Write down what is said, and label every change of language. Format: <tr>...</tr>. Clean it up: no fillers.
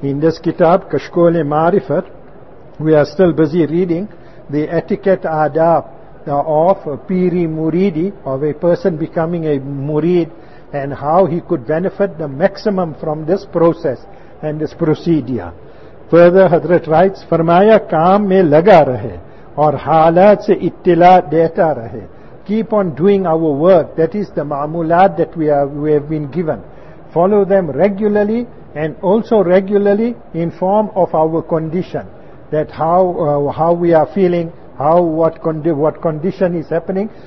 <en>In this kitab, Kashkol-e-Marifat, we are still busy reading the etiquette adab of a piri muridi, of a person becoming a murid, and how he could benefit the maximum from this process and this procedure. Further, Hadrat writes,</en> <ur>فرمایا کام میں لگا رہے اور حالات سے اطلاع دیتا رہے.</ur> <en>Keep on doing our work, that is the معمولات that we have been given. Follow them regularly, and also regularly in form of our condition, that how we are feeling, what condition is happening.</en>